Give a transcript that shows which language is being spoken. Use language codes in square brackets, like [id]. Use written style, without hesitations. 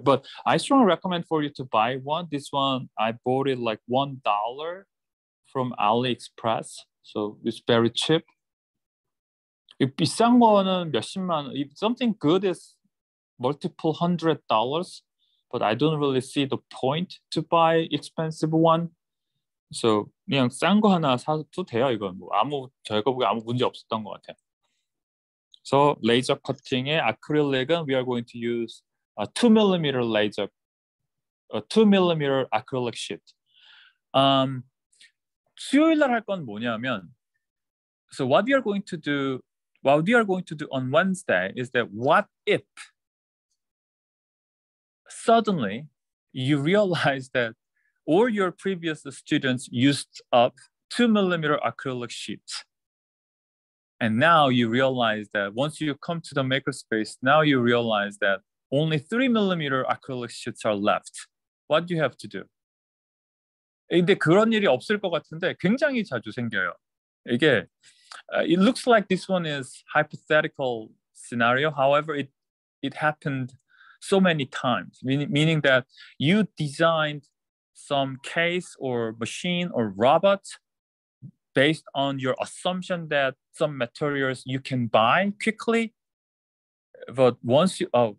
[en] But I strongly recommend for you to buy one. This one, I bought it like $1 from AliExpress. So it's very cheap. [ko] 비싼 거는 몇십만, [en] if something good is multiple hundred dollars, but I don't really see the point to buy expensive one. [ko] So 그냥 싼 거 하나 사도 돼요. 이건 뭐 아무 저희가 보기 아무 문제 없었던 것 같아요. [en] So laser cutting의 acrylic은 we are going to use a 2mm laser, a 2mm acrylic sheet. [ko] 수요일 날 할 건 뭐냐면, [en] so what we are going to do, what we are going to do on Wednesday is that what if suddenly you realize that all your previous students used up 2mm acrylic sheet. And now you realize that once you come to the makerspace, now you realize that only 3mm acrylic sheets are left. What do you have to do? [ko] 근데 그런 일이 없을 것 같은데 굉장히 자주 생겨요. 이게 [en] it looks like this one is hypothetical scenario. However, it happened so many times, meaning that you designed some case or machine or robot based on your assumption that some materials you can buy quickly, but once you